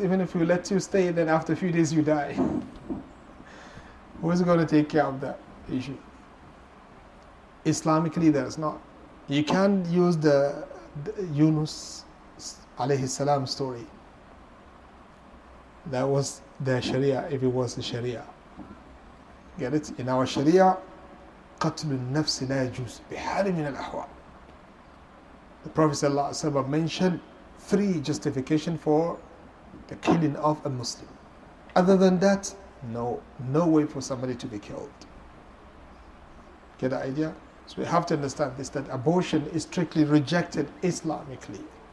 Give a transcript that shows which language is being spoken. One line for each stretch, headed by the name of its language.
English: Even if we let you stay, then after a few days you die. Who's going to take care of that issue? Islamically, there's not. You can't use the Yunus alayhi salam story. That was the Sharia, if it was the Sharia. Get it? In our Sharia,
Arabic: قتل النفس لا يجوز بحال من الأحوال.
English: The Prophet sallallahu alayhi wa sallam mentioned three justification for the killing of a Muslim. Other than that, no way for somebody to be killed. Get the idea? So we have to understand this, that abortion is strictly rejected Islamically.